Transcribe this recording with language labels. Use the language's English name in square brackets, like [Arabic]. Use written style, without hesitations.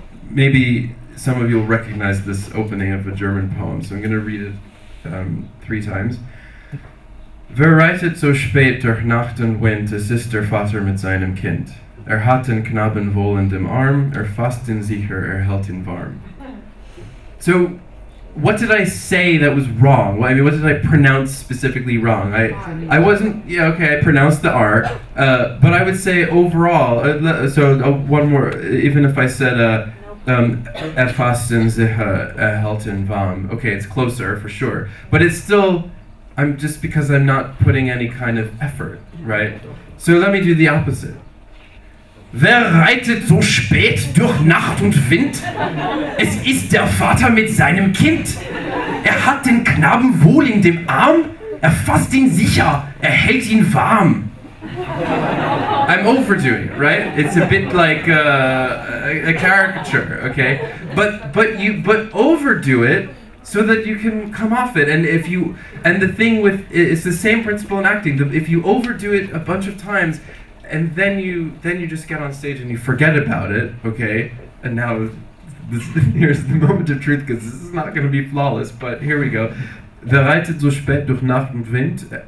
[English] Maybe some of you will recognize this opening of a German poem, so I'm gonna read it three times. [German] Wer reitet so spät durch Nacht und Wind, es ist der Vater mit seinem Kind. Hat den Knaben wohl in dem Arm, fasst ihn sicher, hält ihn warm. [English] So, what did I say that was wrong? Well, I mean, what did I pronounce specifically wrong? I wasn't, yeah, okay, I pronounced the R, but I would say overall, one more, even if I said, [German] Erfassen sicher, erhält ihn warm. [English] Okay, it's closer, for sure. But it's still, I'm just because I'm not putting any kind of effort, right? So let me do the opposite. [German] Wer reitet so spät durch Nacht und Wind? Es ist der Vater mit seinem Kind. Hat den Knaben wohl in dem Arm? Fasst ihn sicher. Hält ihn warm. [English] I'm overdoing it, right? It's a bit like a caricature, okay? But overdo it so that you can come off it. And the thing with, it's the same principle in acting. If you overdo it a bunch of times, and then you just get on stage and you forget about it, okay? And now, here's the moment of truth, because this is not going to be flawless, but here we go. [German] Wer reitet so spät durch Nacht und Wind?